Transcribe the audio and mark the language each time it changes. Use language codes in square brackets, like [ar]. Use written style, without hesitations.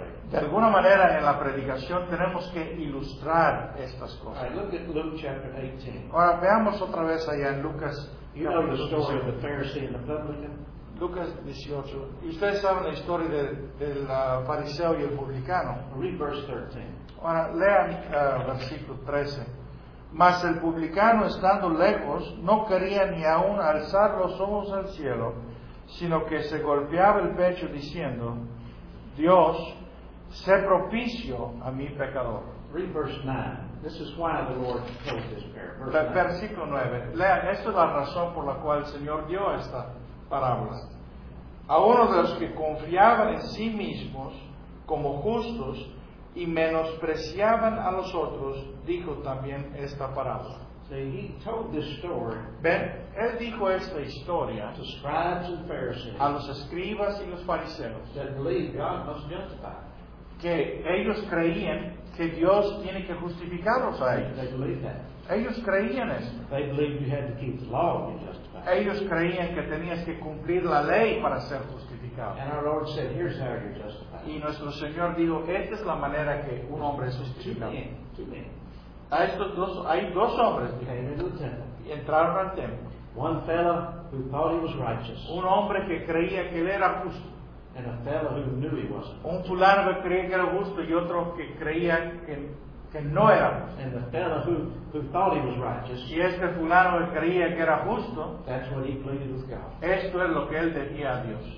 [es] De alguna manera en la predicación tenemos que ilustrar estas cosas. [en] Right, look at Luke chapter 18. [es] Ahora veamos otra vez allá en Lucas. [en] You know the story of the Pharisee and the publican. [es] Lucas 18. Y ustedes saben la historia del fariseo y el publicano. [en] Read verse 13. [es] Ahora lean versículo 13. Mas el publicano, estando lejos, no quería ni aun alzar los ojos al cielo, sino que se golpeaba el pecho diciendo: Dios, sé propicio a mi pecador. [en] Read verse 9. This is why the Lord told this parable. [es] Versículo 9. Lea, esto es la razón por la cual el Señor dio esta parábola. A uno de los que confiaban en sí mismos como justos y menospreciaban a los otros, dijo también esta parábola. [en] See, he told this story. [es] Ven, él dijo esta historia [en] to scribes and Pharisees, [es] a los escribas y los fariseos, [en] that believe God must justify. [es] Que ellos creían que Dios tiene que justificarlos a ellos. [en] They believe that. [es] Ellos creían eso. [en] They believe you had to keep the law to be justified. [es] Ellos creían que tenías que cumplir la ley para ser justificado. [en] And our Lord said, here's how you're justified. [es] Y nuestro Señor dijo, esta es la manera que un hombre es justificado. Hay dos hombres [en] que came into the temple. [es] Y entraron al templo. [en] One fellow who thought he was righteous. [es] Un hombre que creía que él era justo. [en] And a fellow who knew he wasn't. [es] Un fulano que creía que era justo y otro que creía que no era justo. [en] And the fellow who thought he was righteous. [es] Y este fulano que creía que era justo. [en] That's what he pleaded with God. [es] Esto es lo que él decía a Dios.